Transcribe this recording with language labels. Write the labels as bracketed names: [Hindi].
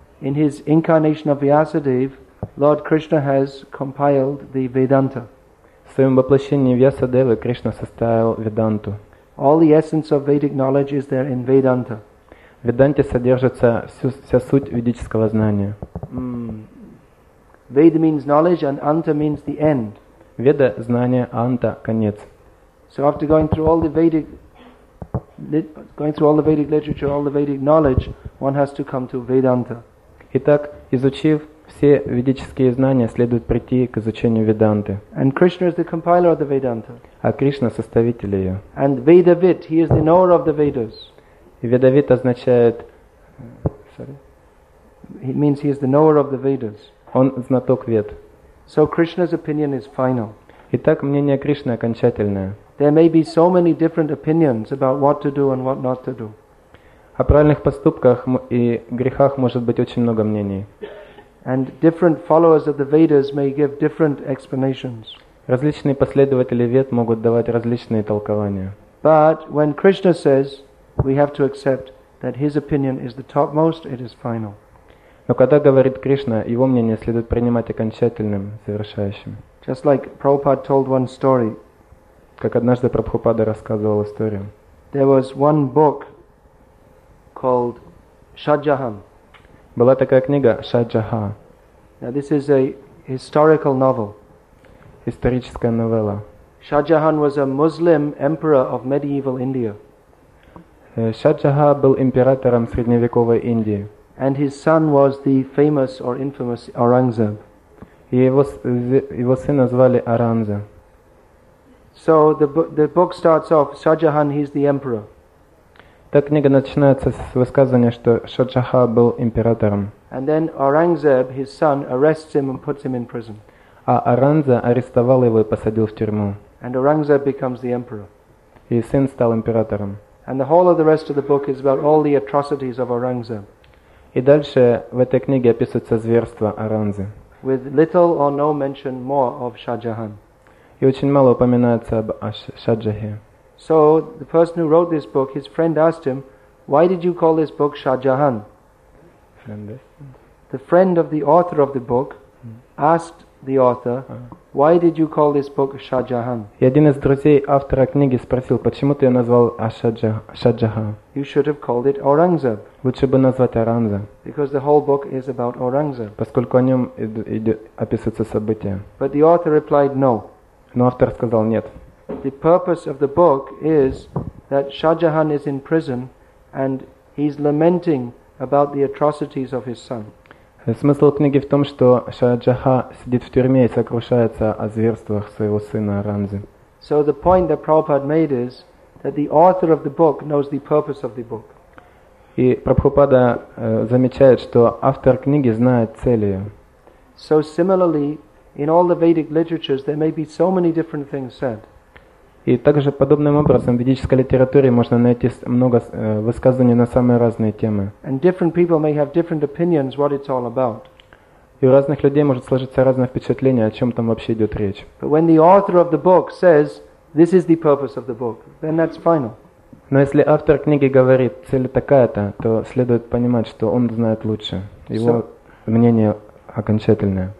[English] In his incarnation of Vyasadeva, Lord Krishna has compiled the Vedanta. [Russian] В своем воплощении Вьясадевы Кришна составил Веданту. [English] All the essence of Vedic knowledge is there in Vedanta. [Russian] В Веданте содержится вся суть ведического знания. [English] Veda means knowledge and anta means the end. [Russian] Веда – знание, анта – конец. [English] So after going through all the Vedic literature, all the Vedic knowledge, one has to come to Vedanta. [Russian] Итак, изучив все ведические знания, следует прийти к изучению Веданты. [English] And Krishna is the compiler of the Vedanta. [Russian] А Кришна – составитель ее. [English] And Vedavit, he is the knower of the Vedas. [Russian] И Vedavit означает… [English] Sorry. It means he is the knower of the Vedas. [Russian] Он знаток Вед. [English] So Krishna's opinion is final. [Russian] Итак, мнение Кришны окончательное. [English] There may be so many different opinions about what to do and what not to do. [Russian] О правильных поступках и грехах может быть очень много мнений. [English] And different followers of the Vedas may give different explanations. [Russian] Различные последователи Вед могут давать различные толкования. [English] But when Krishna says, we have to accept that his opinion is the topmost, it is final. [Russian] Но когда говорит Кришна, его мнение следует принимать окончательным, завершающим. [English] Just like Prabhupada told one story. [Russian] Как однажды Прабхупада рассказывал историю. [English] There was one book called Shajahan. [Russian] Была такая книга Шаджаха. [English] Now this is a historical novel. [Russian] Историческая новелла. [English] Shajahan was a Muslim emperor of medieval India. [Russian] Шаджага был императором средневековой Индии. [English] And his son was the famous or infamous Aurangzeb. [Russian] Его сына звали Аранза. [English] So the book starts off, Шаджахан, he's the emperor. [Russian] Та книга начинается с высказывания, что Шаджаха был императором. [English] And then Aurangzeb, his son, arrests him and puts him in prison. [Russian] А Аранза арестовал его и посадил в тюрьму. [English] And Aurangzeb becomes the emperor. [Russian] И сын стал императором. [English] And the whole of the rest of the book is about all the atrocities of Aurangzeb. [Russian] И дальше в этой книге описывается зверство Аранзы. [English] With little or no mention more of Шаджахан. [Russian] И очень мало упоминается об Шаджахе. [English] So the person who wrote this book, his friend asked him, why did you call this book Шаджахан? The friend of the author of the book asked the author, why did you call this book Шаджахан? [Russian] И один из друзей автора книги спросил, почему ты ее назвал Шаджаха? [English] You should have called it Aurangzeb. [Russian] Лучше бы назвать Аранза. [English] Because the whole book is about Aurangzeb. [Russian] Поскольку о нем описываются события. [English] But the author replied, no. [Russian] Но автор сказал нет. [English] The purpose of the book is that Шаджахан is in prison and he's lamenting about the atrocities of his son. [Russian] Смысл книги в том, что Шаджаха сидит в тюрьме и сокрушается о зверствах своего сына Аранзы. [English] So the point that Prabhupada made is that the author of the book knows the purpose of the book. [Russian] И Прабхупада замечает, что автор книги знает цель ее. [English] So similarly, in all the Vedic literatures, there may be so many different things said. [Russian] И также подобным образом в ведической литературе можно найти много высказываний на самые разные темы. [English] And different people may have different opinions what it's all about. [Russian] И у разных людей может сложиться разное впечатление, о чем там вообще идет речь. [English] But when the author of the book says this is the purpose of the book, then that's final. [Russian] Но если автор книги говорит, цель такая-то, то следует понимать, что он знает лучше. Его мнение окончательное.